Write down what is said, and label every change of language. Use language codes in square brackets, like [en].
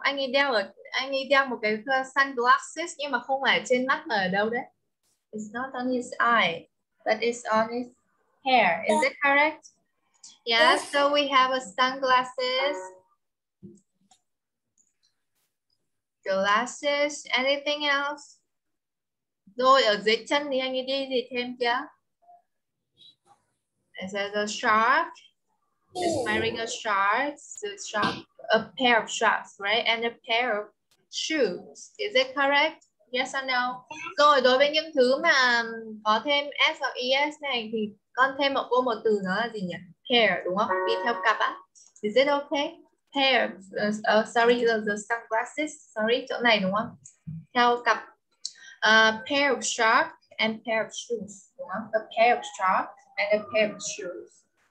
[vi] Anh ấy đeo một cái sunglasses nhưng mà không phải trên mắt mà ở đâu đấy. [en] It's not on his eye, but it's on his hair. Is it correct? Yeah, yes, so we have a sunglasses. Glasses, anything else? [vi] Rồi, ở dưới chân thì anh ấy đi gì thêm chưa? [en] Is it a shark? He's wearing a shark. So shark, a pair of shorts, right? And a pair of shoes. Is it correct? Yes or no? [vi] Rồi, đối với những thứ mà có thêm S hoặc ES này thì con thêm một cô một từ nữa là gì nhỉ? [en] Pair, [vi] đúng không? Đi theo cặp á. [en] Is it okay? Pair, the sunglasses. [vi] Sorry, chỗ này đúng không? Theo cặp. [en] A pair of shorts and pair of shoes. A pair of shorts and a pair of shoes.